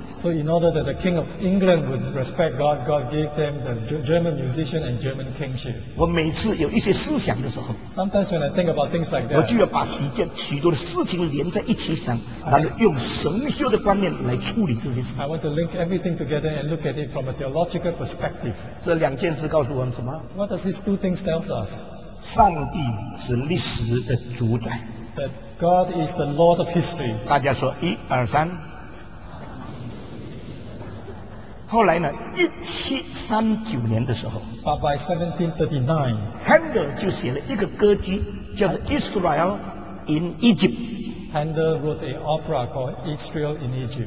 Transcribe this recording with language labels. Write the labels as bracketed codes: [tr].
[en] So in order that the king of England would respect God, God gave them the German musician and German kingship. [zh] 我每次有一些思想的时候 [en] ，Sometimes when I think about things like that， [zh] 我就要把许多的事情连在一起想，然后用神学的观念来处理这些事。 [en] I want to link everything together and look at it from a theological perspective. [zh] 这两件事告诉我们什么 [en] ？What does these two things tell us？ [zh] 上帝是历史的主宰。 [en] That God is the Lord of history. [zh] 大家说一二三。后来呢？1739年的时候 [en] ，But by 1739, [zh] Handel 就写了一个歌剧，叫做《Israel in Egypt》。 [en] Handel wrote an opera called Israel in Egypt.